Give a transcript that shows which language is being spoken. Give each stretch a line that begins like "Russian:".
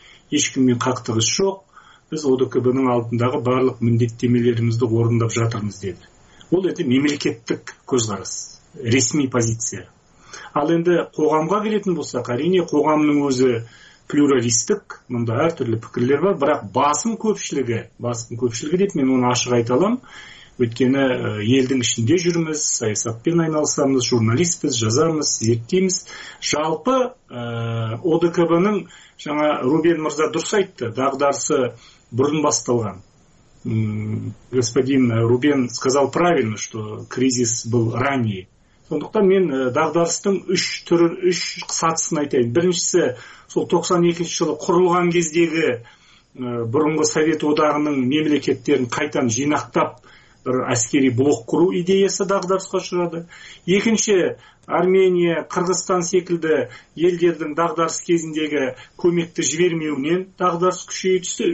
Kyrgyz: Эч ким менен кактыгыш жок. Биз ОДКБнын алдындагы баардык миндеттемелерибизди орундап жатырбыз деди. Бул эми мамлекеттик көз карас, расмий позиция. Ал энди коомго келетин болсок, арине коомдун өзү плюралисттик, мында ар түрлүү пикирлер бар, бирок басым көпчүлүгү деп мен аны ашык айта алам,
Kazakh: Өйткені елдің ішінде жүрміз, саясатпен айналысамыз, журналистпіз, жазамыз, зерттейміз. Жалпы ОДКБ-ның жаңа Рубен Мырза дұрыс айтты, дағдарысы бұрын басталған.
Russian: Господин Рубен сказал правильно, что кризис был ранее.
Kazakh: Сондықтан мен дағдарыстың үш түрі, үш сатысын айтайын. Біріншісі, сол 92 жылы құрылған кездегі бұрынғы Совет одағының мемлекеттерін қайтан жинақтап бір әскери блок құру идеясы дағдарысқа ұшырады. Екінші, Армения, Қырғызстан секілді елдердің дағдарыс кезіндегі көмекті жібермеуінен дағдарыс күшейе түсті.